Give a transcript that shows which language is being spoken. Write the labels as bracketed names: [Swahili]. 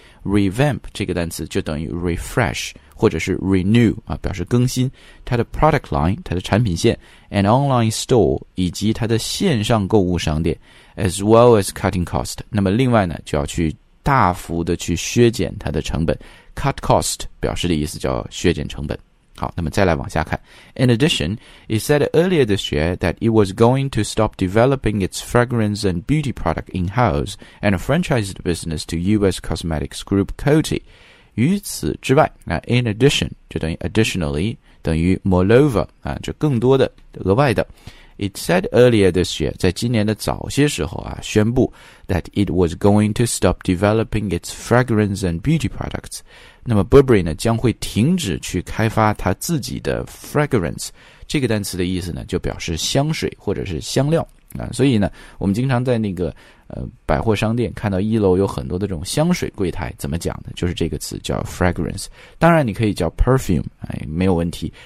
[Chinese] revamp 这个单词就等于 refresh 或者是 renew 啊，表示更新它的 [English] product line， [Chinese] 它的产品线 ， [English] and online store [Chinese] 以及它的线上购物商店 ， [English] as well as cutting cost。 [Chinese] 那么另外呢，就要去大幅的去削减它的成本 ， [English] cut cost [Chinese] 表示的意思叫削减成本。好，那么再来往下看。 [English] In addition, it said earlier this year that it was going to stop developing its fragrance and beauty product in-house and franchise the business to U.S. cosmetics group Coty. [Chinese] 与此之外，那 [English] in addition [Chinese] 就等于 additionally 等于 moreover 啊，就更多的额外的。 [English] It said earlier this year, [Chinese] 在今年的早些时候啊，宣布 [English] that it was going to stop developing its fragrance and beauty products. [Chinese] 那么 Burberry 呢，将会停止去开发它自己的 fragrance。这个单词的意思呢，就表示香水或者是香料啊。所以呢，我们经常在那个百货商店看到一楼有很多的这种香水柜台，怎么讲呢？就是这个词叫 fragrance。当然，你可以叫 perfume， 哎，没有问题。